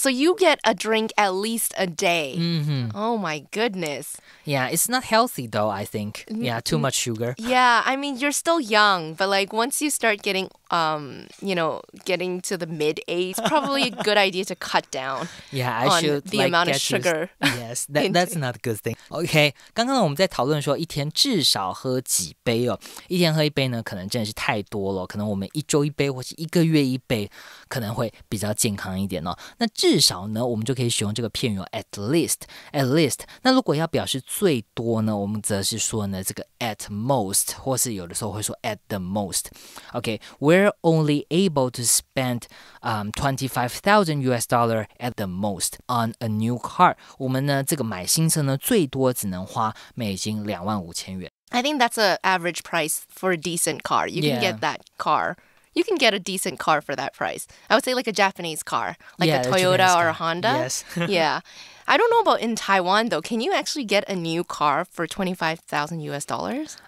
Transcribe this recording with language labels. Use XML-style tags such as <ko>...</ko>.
<en>So you get a drink at least a day. Mm-hmm. Oh my goodness. Yeah, it's not healthy though, I think. Yeah, too much sugar. Yeah, I mean, you're still young, but like once you start getting, getting to the mid-age, it's probably a good idea to cut down on the amount of sugar. Yes, that's not a good thing.</en> <zh>Okay, 刚刚我们在讨论说一天至少喝几杯哦，一天喝一杯呢，可能真的是太多了，可能我们一周一杯或是一个月一杯，可能会比较健康一点哦。那至少呢，我们就可以使用这个片语</zh> <en>at least。</en> <zh>那如果要表示最多呢，我们则是说呢这个</zh> <en>at most，</en> <zh>或是有的时候会说</zh> <en>at the most。 OK， we're only able to spend $25,000 at the most on a new car。</en> <zh>我们呢这个买新车呢，最多只能花美金$25,000。</zh> <en>I think that's an average price for a decent car. You can get that car. You can get a decent car for that price. I would say like a Japanese car, like a Toyota or a Honda. Yes. Yeah. I don't know about in Taiwan though. Can you actually get a new car for $25,000?</en>